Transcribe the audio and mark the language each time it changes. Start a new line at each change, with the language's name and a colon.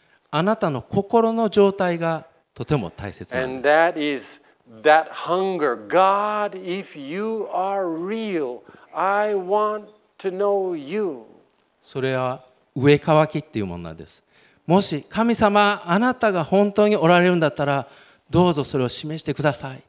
Japanese: あなたの心の状態がとても大切なんです。
English: And that is that hunger. God, if you are real, I want to know you.
Japanese: それは飢え渇きっていうものなんです。もし神様、あなたが本当におられるんだったら、どうぞそれを示してください。